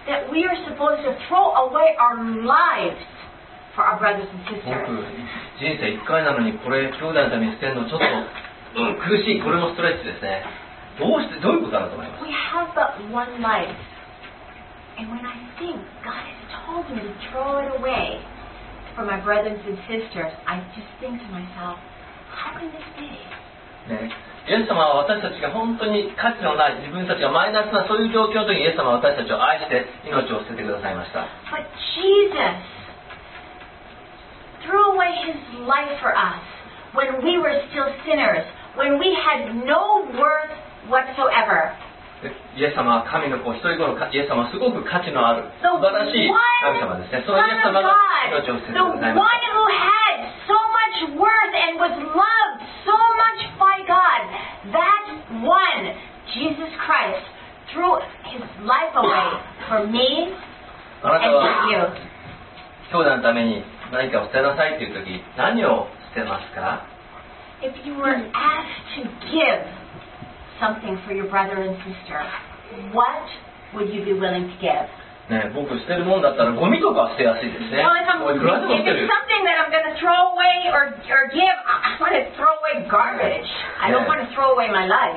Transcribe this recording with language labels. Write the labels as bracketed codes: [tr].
[en] But here it says that we are supposed to throw away our lives for our brothers and sisters. [ja] 人生一回なのにこれ兄弟のために捨てるのちょっと苦しい、これもストレッチですね。どうしてどういうことだと思います。 [en] We have but one life. And when I think God has told me to throw it away for my brothers and sisters, I just think to myself, how can this be? [ja] ね、イエス様は私たちが本当に価値のない自分たちがマイナスなそういう状況の時にイエス様は私たちを愛して命を捨ててくださいました。 [en] But Jesus threw away His life for us when we were still sinners, when we had no worth whatsoever. [ja] イエス様は神の子、一人子のイエス様はすごく価値のある素晴らしい神様ですね。そのイエス様が命を捨てる。 [en] The one who had so much worth and was loved so much by God, that one, Jesus Christ, threw his life away for me and for you. [ja] あなたは兄弟のために何かを捨てなさいという時、何を捨てますか？ [en] If you were asked to give. Something for your brother and sister. What would you be willing to give? [ja] ね、僕捨てるもんだったらゴミとか捨てやすいですね。 [en] If it's something that I'm going to throw away or give, I want to throw away garbage. I don't want to throw away my life.